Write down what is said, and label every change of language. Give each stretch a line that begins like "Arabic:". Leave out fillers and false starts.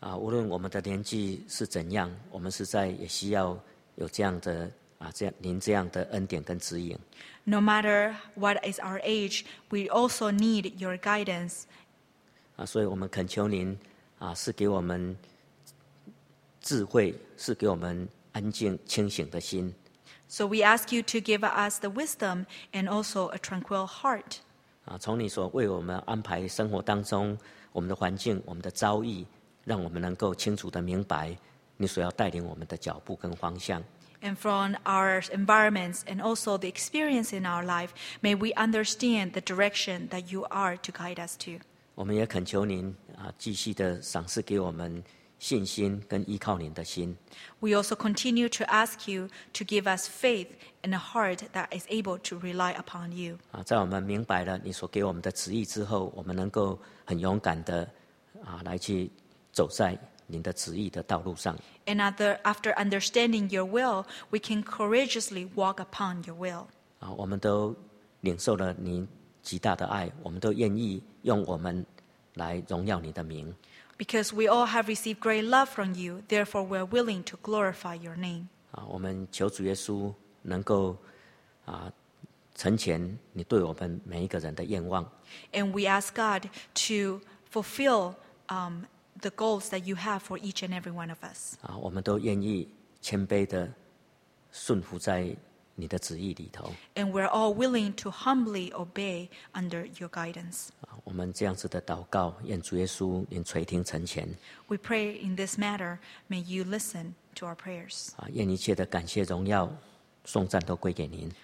Chinese: 无论我们的年纪是怎样，我们实在也需要有这样的。这样您这样的恩典跟指引。
English: No matter what is our age, we also need your guidance.
Chinese: 所以我们恳求您是给我们智慧，是给我们安静清醒的心。
English: So we ask you to give us the wisdom and also a tranquil heart.
Chinese: 从你所为我们安排生活当中我们的环境我们的遭遇，让我们能够清楚地明白你所要带领我们的脚步跟方向。
English: And from our environments and also the experience in our life, may we understand the direction that you are to guide us to.
Chinese: 我们也恳求您继续的赏赐给我们信心跟依靠您的心。
English: We also continue to ask you to give us faith and a heart that is able to rely upon you.
Chinese: 在我们明白了你所给我们的旨意之后，我们能够很勇敢的来去走在您的旨意的道路上。
English: And after understanding your will, we can courageously walk upon your will.
Chinese: 我们都领受了您极大的爱，我们都愿意用我们来荣耀你的名。
English: Because we all have received great love from you, therefore we are willing to glorify your name.
Chinese: 我们求主耶稣能够成全你对我们每一个人的愿望。
English: And we ask God to fulfill the goals that you have for each and every one of us.
Chinese: 我们都愿意谦卑地顺服在你的旨意里头。
English: And we're all willing to humbly obey under your guidance.
Chinese: 我们这样子的祷告，愿主耶稣您垂听成全。
English: We pray in this matter, may you listen to our prayers.
Chinese: 愿一切的感谢、荣耀、颂赞都归给您。